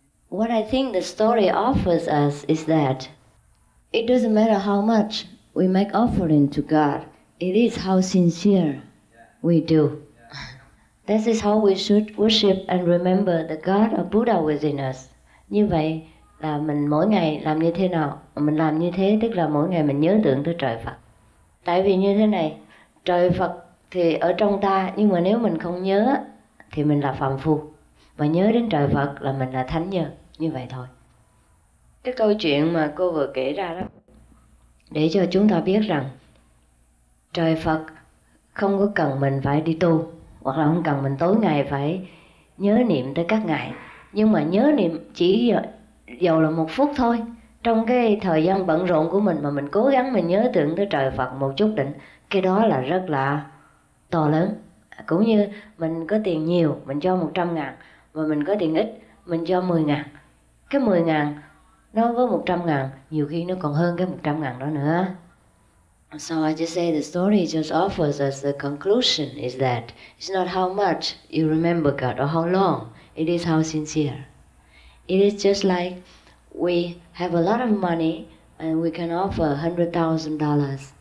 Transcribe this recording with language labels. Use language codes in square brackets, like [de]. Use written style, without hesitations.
[en] What I think the story offers us is that it doesn't matter how much we make offering to God, it is how sincere we do. This is how we should worship and remember the God or Buddha within us. [vi] Như vậy là mình mỗi ngày làm như thế nào? Mình làm như thế tức là mỗi ngày mình nhớ tưởng tới trời Phật. Tại vì như thế này, Trời Phật thì ở trong ta, nhưng mà nếu mình không nhớ thì mình là phàm phu, mà nhớ đến trời Phật là mình là thánh nhân, như vậy thôi. Cái câu chuyện mà cô vừa kể ra đó để cho chúng ta biết rằng trời Phật không có cần mình phải đi tu, hoặc là không cần mình tối ngày phải nhớ niệm tới các ngài, nhưng mà nhớ niệm chỉ dầu là một phút thôi, trong cái thời gian bận rộn của mình mà mình cố gắng mình nhớ tưởng tới trời Phật một chút định, cái đó là rất là to lớn. Cũng như mình có tiền nhiều, mình cho 100 ngàn, mà mình có tiền ít, mình cho 10 ngàn, cái 10 ngàn nó với 100 ngàn nhiều khi nó còn hơn cái 100 ngàn đó nữa. [en] So I just say the story just offers us the conclusion is that it's not how much you remember God or how long, it is how sincere. It is just like we have a lot of money and we can offer $100,000.